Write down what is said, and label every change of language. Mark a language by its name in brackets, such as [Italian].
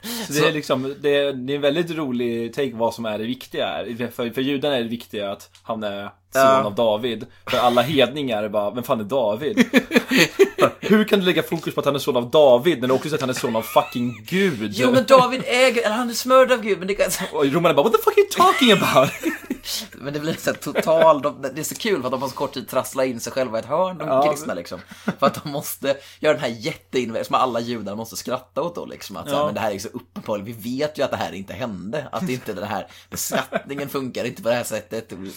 [Swedish] Så det är liksom, det är en väldigt rolig take vad som är det viktiga här. För judarna är det viktiga att han är son av David. För alla hedningar är bara, vem fan är David? Hur kan du lägga fokus på att han är son av David när du också säger att han är son av fucking Gud? Jo, men David äger, eller han är smörd av Gud. Men det kan... Och romarna bara, [English] what the fuck are you talking about? [Swedish] Men det blir så totalt, det är så kul för att de har så kort tid trassla in sig själva i ett hörn, de kristna liksom. För att de måste göra den här jätteinvesten som alla judar måste skratta åt då liksom, att så här, men det här är så uppenbart, vi vet ju att det här inte hände, att inte den här beskattningen funkar inte på det här sättet.